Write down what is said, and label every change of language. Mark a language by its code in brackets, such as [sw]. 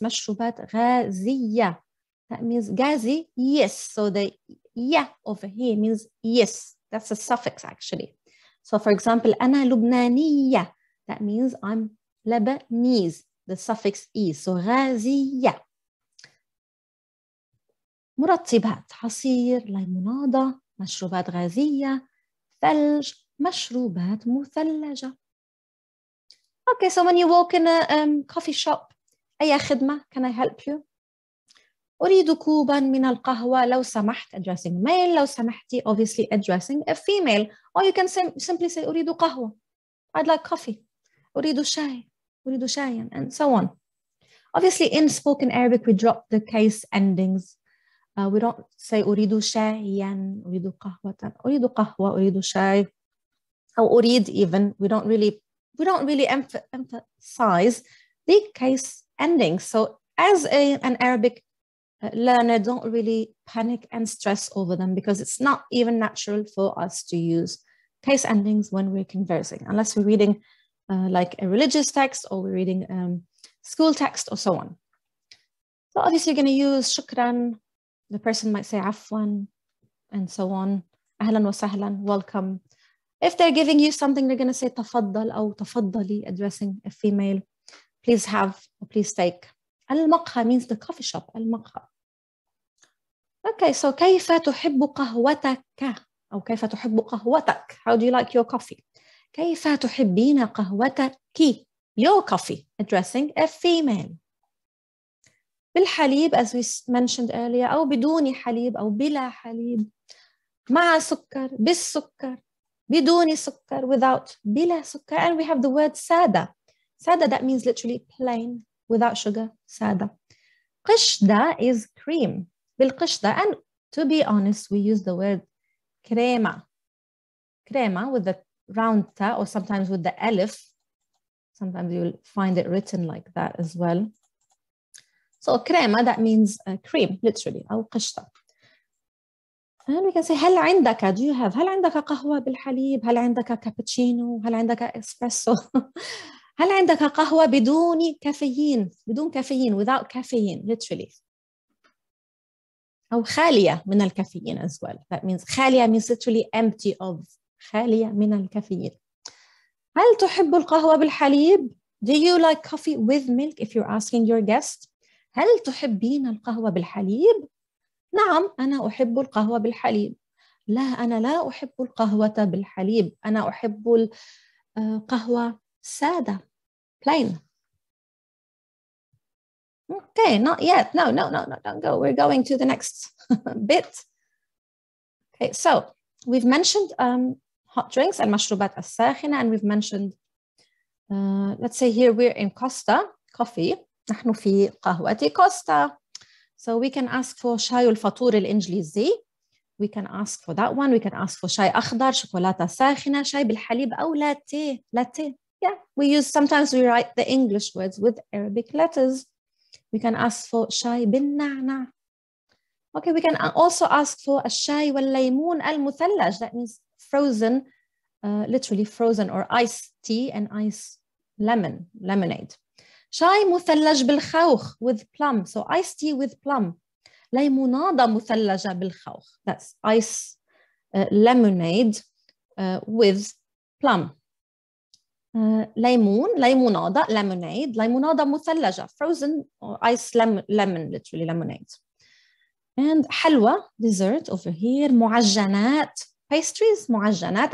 [ar] مشروبات غازية. [en] That means gazy. Yes. So the yeah over here means yes. That's a suffix actually. So for example, [ar] أنا لبنانية. [en] That means I'm Lebanese. The suffix e, so غازية. [ar] مرطبات عصير ليمونادة مشروبات غازية ثلج مشروبات مثلجة. [en] Okay, so when you walk in a coffee shop, [ar] أي خدمة, [en] can I help you? [ar] أريد كوبا من القهوة لو سمحت, [en] addressing male, [ar] لو سمحتي, [en] obviously addressing a female. Or you can simply say [ar] أريد قهوة, [en] I'd like coffee. [ar] أريد شاي. أريد شاي, [en] and so on. Obviously, in spoken Arabic, we drop the case endings. We don't say [ar] أريد شاي, أريد قهوة, أريد قهوة, أريد شاي, or أريد even. [en] We don't really emphasize the case endings. So, as an Arabic learner, don't really panic and stress over them because it's not even natural for us to use case endings when we're conversing, unless we're reading. Like a religious text or we're reading school text or so on. So obviously you're going to use shukran. The person might say afwan and so on. [ar] Ahlan wa sahlan, [en] welcome. If they're giving you something, they're going to say tafaddal or tafaddali, addressing a female. Please have or please take. Al-maqha means the coffee shop, al-maqha. Okay, so [ar] kayfa tuhibbu qahwataka? [en] Or [ar] kayfa tuhibbu qahwatak? [en] How do you like your coffee? [ar] كيف تحبين قهوتك؟ [en] Your coffee, addressing a female. [ar] بالحليب, [en] as we mentioned earlier, [ar] أو بدون حليب أو بلا حليب. مع سكر, بالسكر. بدون سكر, without, بلا سكر. [en] And we have the word سادة. سادة, that means literally plain, without sugar, سادة. قشدة is cream. بالقشدة, and to be honest, we use the word كريمة. كريمة with the round ta, or sometimes with the alif. Sometimes you'll find it written like that as well. So crema, that means cream, literally. [ar] أو قشطة. And we can say, هل عندك, [en] do you have, [ar] هل عندك قهوة بالحليب, هل عندك cappuccino, هل عندك espresso, هل عندك قهوة بدون كافيين, بدون كافيين, [en] without caffeine, literally. [ar] أو خالية من الكافيين as well. [en] That means, خالية means literally empty of. [ar] خالية من الكافيين. هل تحب القهوة بالحليب? [en] Do you like coffee with milk if you're asking your guest? [ar] هل تحبين القهوة بالحليب? نعم, أنا أحب القهوة بالحليب. لا, أنا لا أحب القهوة بالحليب. أنا أحب القهوة سادة. Plain. [en] Okay, not yet. No, don't go. We're going to the next bit. Okay, so We've mentioned hot drinks, المشروبات الساخنة, and we've mentioned, let's say here we're in Costa, coffee. [ar] نحن في قهوة كوستا. [en] So we can ask for [ar] شاي الفطور الإنجليزي. [en] We can ask for that one. We can ask for شاي أخضر, شوكولاتة ساخنة, شاي بالحليب أو لاتيه. [ar] لاتيه. [en] Yeah, we use, sometimes we write the English words with Arabic letters. We can ask for شاي بالنعنع. Okay, we can also ask for [ar] الشاي والليمون المثلج. [en] That means frozen, literally frozen or iced tea and iced lemon, lemonade. [ar] شاي مثلج بالخوخ [en] with plum. So iced tea with plum. [ar] ليمونادة مثلجة بالخوخ. [en] That's ice lemonade with plum. [ar] ليمون, ليمونادة, lemonade. [en] ليمونادة مثلجة, frozen or ice lemon, literally lemonade. And حلوة, dessert over here. [ar] معجنات, pastries, معجنات.